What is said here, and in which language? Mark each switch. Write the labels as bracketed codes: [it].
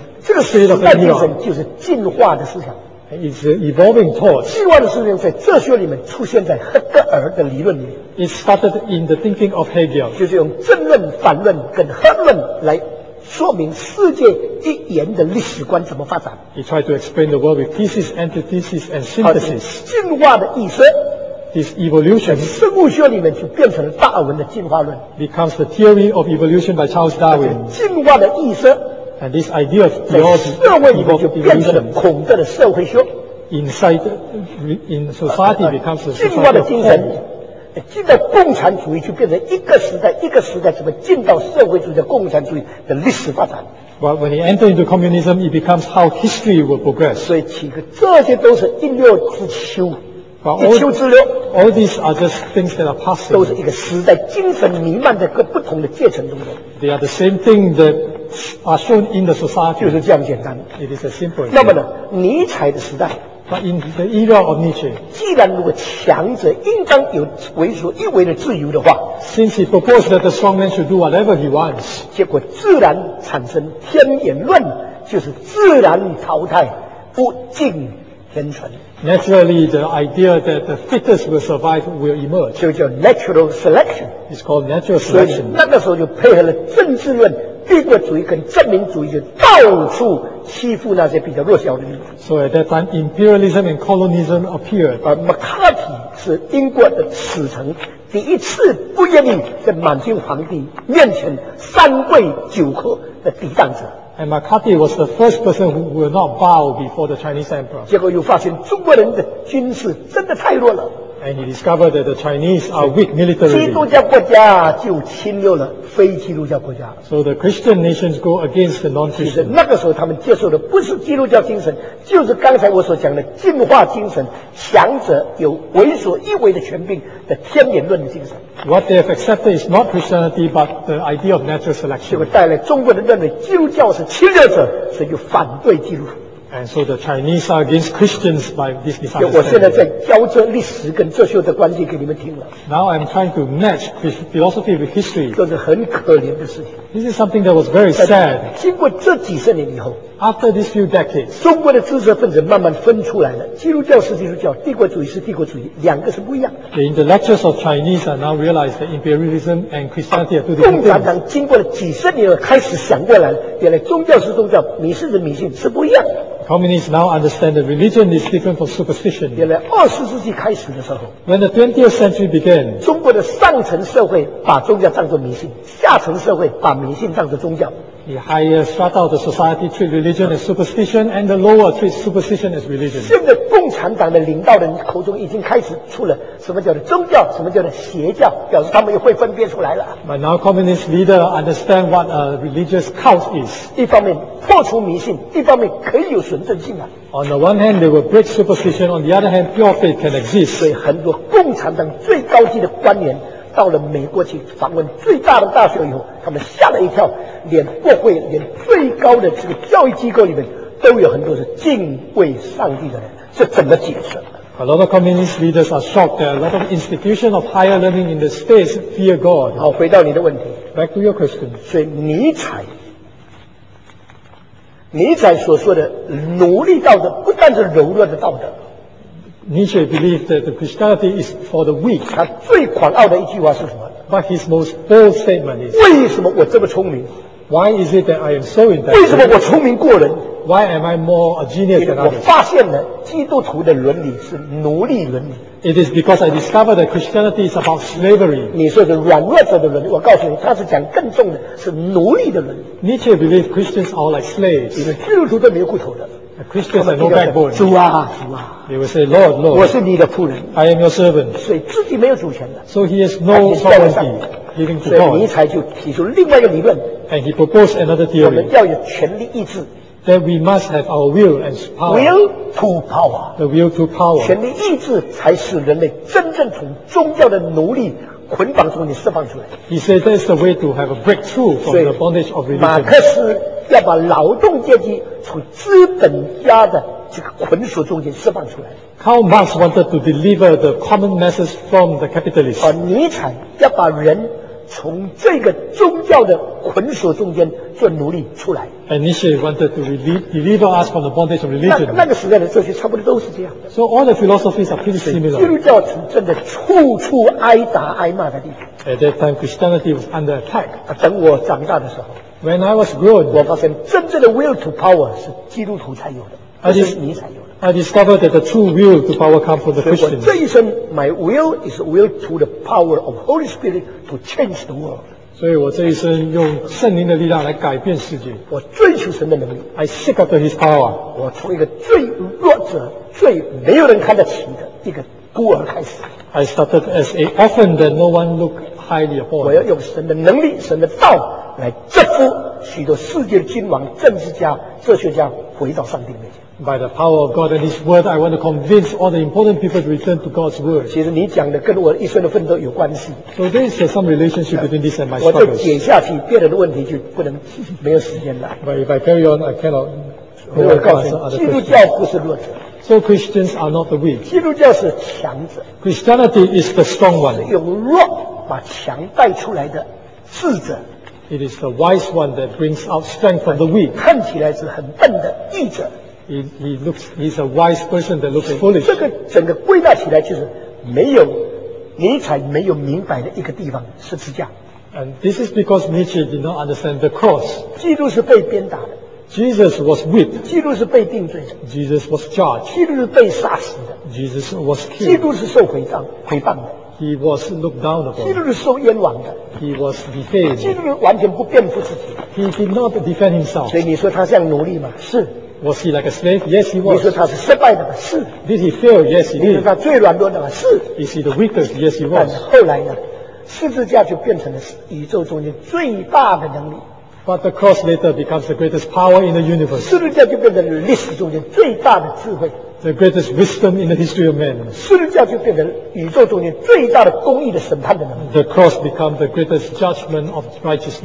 [zh] 这个时代精神就是进化的思想。 [en] It's an evolving thought. [zh] 进化的思想在哲学里面出现在黑格尔的理论里面。 [en] It started in the thinking of Hegel. [zh] 就是用正论、反论跟黑论来。说明世界一言的历史观怎么发展。 [en] He tried to explain the world with thesis, antithesis, and synthesis. [zh] 进化的意思。 [en] This evolution. [zh] 在生物学里面就变成了达尔文的进化论。 [en] Becomes the theory of evolution by Charles Darwin. [zh] 进化的意思。 [en] And this idea of theology. [zh] 社会里面就变成了孔德的社会学。 [en] Inside, in society becomes the society. [zh] 进化的精神。进到共产主义就变成一个时代一个时代怎么进到社会主义的共产主义的历史发展。 [en] Well, when you enter into communism, it becomes how history will progress. [zh] 所以其实这些都是一流之秋 [en] all, [zh] 一秋之流 [en] all these are just things that are passing. [zh] 都是一个时代精神弥漫在各不同的阶层中的。 [en] They are the same thing that are shown in the society. [zh] 就是这样简单。 [en] It is a simple thing. [zh] 那么呢尼采的时代 [en] But in the era of Nietzsche, [zh] 既然如果强者应当有为所欲为的自由的话 [en] ，since he proposed that the strong man should do whatever he wants, [zh] 结果自然产生天演论，就是自然淘汰，不竞天存。 [en] Naturally, the idea that the fittest will survive will emerge. [zh] 就叫 [en] natural selection. It's called natural selection. [zh] 那个时候就配合了政治论。帝国主义跟证明主义就到处欺负那些比较弱小的民族。 [en] So at that time, imperialism and colonialism appeared. [zh] 而麦卡锡是英国的史臣，第一次不愿意在满清皇帝面前三跪九叩的抵挡者。 [en] And McCarthy was the first person who will not bow before the Chinese emperor. [zh] 结果又发现中国人的军事真的太弱了。 [en] And he discovered that the Chinese are weak militarily. [zh] 基督教国家就侵略了非基督教国家。 [en] So the Christian nations go against the non-Christian. [zh] 那个时候他们接受的不是基督教精神，就是刚才我所讲的进化精神，强者有为所欲为的权柄的天演论的精神。 [en] What they have accepted is not Christianity, but the idea of natural selection. [zh] 结果带来中国人认为基督教是侵略者，所以就反对基督。 [en] And so the Chinese are against Christians by this misunderstanding. [zh] 我现在在交这历史跟哲学的关系给你们听了。 [en] Now I'm trying to match philosophy with history. [zh] 这是很可怜的事情。 [en] This is something that was very sad. [zh] 经过这几十年以后 [en] ，After these few decades, [zh] 中国的知识分子慢慢分出来了，基督教是基督教，帝国主义是帝国主义，两个是不一样的。 [en] The intellectuals of Chinese are now realized that imperialism and Christianity are two different things. [zh] 共产党经过了几十年后开始想过来了，原来宗教是宗教，迷信是迷信，是不一样的。 [en] Communists now understand that religion is different from superstition. [zh] 原来二十世纪开始的时候 [en] ，When the 20th century began, [zh] 中国的上层社会把宗教当作迷信，下层社会把迷信当作宗教。 [en] The higher strata of the society treat religion as superstition, and the lower treat superstition as religion. [zh] 现在共产党的领导人口中已经开始出了什么叫做宗教，什么叫做邪教，表示他们也会分辨出来了。 [en] But now communist leader understand what a religious cult is. [zh] 一方面破除迷信，一方面可以有纯正性啊。 [en] On the one hand, they will break superstition. On the other hand, pure faith can exist. [zh] 所以很多共产党最高级的官员。到了美国去访问最大的大学以后，他们吓了一跳，连国会，连最高的这个教育机构里面，都有很多是敬畏上帝的人，这怎么解释？ [en] A lot of communist leaders are shocked that a lot of institutions of higher learning in the states fear God. [zh] 好，回到你的问题。 [en] Back to your question. [zh] 所以尼采所说的奴隶道德，不但是柔弱的道德。 [en] Nietzsche believed that the Christianity is for the weak. [zh] 他最狂傲的一句话是什么？ [en] But his most bold statement is, [zh] 为什么我这么聪明？ [en] Why is it that I am so intelligent? [zh] 为什么我聪明过人？ [en] Why am I more a genius than others? [zh] 我发现了基督徒的伦理是奴隶伦理。 [en] It is because I discovered that Christianity is about slavery. [zh] 你说的软弱者的伦理，我告诉你，他是讲更重的，是奴隶的伦理。 [en] Nietzsche believes Christians are like slaves. [zh] 因为基督徒都没有骨头的。 [en] Christians have no backbone. [zh] 主啊，主啊。 [en] They will say, Lord, Lord. [zh] 我是你的仆人。 [en] I am your servant. [zh] 所以自己没有主权的。 [en] So he has no sovereignty. Giving to God. [zh] 所以尼采就提出另外一个理论。 [en] And he proposed another theory. [zh] 我们要有权力意志。 [en] That we must have our will and power. Will to power. The will to power. [zh] 权力意志才使人类真正从宗教的奴隶捆绑中你释放出来。 [en] He says that's the way to have a breakthrough from the bondage of religion. [zh] 马克思要把劳动阶级从资本家的这个捆锁中间释放出来。 [en] Karl Marx wanted to deliver the common masses from the capitalists. [zh] 而尼采要把人从这个宗教的捆锁中间做奴隶出来。 [en] And Nietzsche wanted to deliver us from the bondage of religion. [zh] 那个时代的哲学差不多都是这样。 [en] So all the philosophies are pretty similar. [zh] 基督教是真的处处挨打挨骂的地方。 [en] At that time, Christianity was under attack. [zh] 等我长大的时候。 [en] When I was grown, [zh] 我发现真正的 [en] will to power [zh] 是基督徒才有的，不是尼采有的。 [en] I discovered that the true will to power comes from the Christians. [zh] 所以我这一生 [en] ，my will is will to the power of Holy Spirit to change the world. [zh] 所以我这一生用圣灵的力量来改变世界。我追求神的能力。 [en] I seek after His power. [zh] 我从一个最弱者、最没有人看得起的一个孤儿开始。 [en] I started as an orphan that no one looked highly upon. [zh] 我要用神的能力、神的道。来折服许多世界的君王、政治家、哲学家，回到上帝面前。 [en] By the power of God and His Word, I want to convince all the important people to return to God's Word. [zh] 其实你讲的跟我一生的奋斗有关系。 [en] So there is some relationship between this and my struggles. [zh] 我再解下去，别人的问题就不能没有时间了。 [en] But if I carry on, I cannot. [zh] 我告诉你，基督教不是弱者。 [en] So Christians are not the weak. [zh] 基督教是强者。 [en] Christianity is the strong one. [zh] 是用弱把强带出来的智者。 [en] It is the wise one that brings out strength from the weak. [zh] 看起来是很笨的愚者。 [en] He's a wise person that looks foolish. [zh] 这个整个归纳起来就是没有尼采没有明白的一个地方是十字架。 [en] And this is because Nietzsche did not understand the cross. [zh] 基督是被鞭打的。 [en] Jesus was whipped. [zh] 基督是被定罪的。 [en] Jesus was charged. [zh] 基督是被杀死的。 [en] Jesus was killed. [zh] 基督是受毁谤、毁谤的。 [en] He was looked down upon. [zh] 基督是受冤枉的。 [en] He was defamed. [zh] 基督完全不辩护自己。 [en] He did not defend himself. [zh] 所以你说他像奴隶吗？是。 [en] Was he like a slave? Yes, he was. [zh] 你说他是失败的吗？是。 [en] Did he fail? Yes, he did. [zh] 你说他最软弱的吗？是。 [en] Is he the weakest? Yes, he was. [zh] 但后来呢？十字架就变成了宇宙中间最大的能力。 [en] But the cross later becomes the greatest power in the universe. [zh] 十字架就变成了历史中间最大的智慧。 [en] The greatest wisdom in the history of man. [zh] 十字架就变成宇宙中间最大的公义的审判的能力。 [en] The cross became the greatest judgment of righteousness.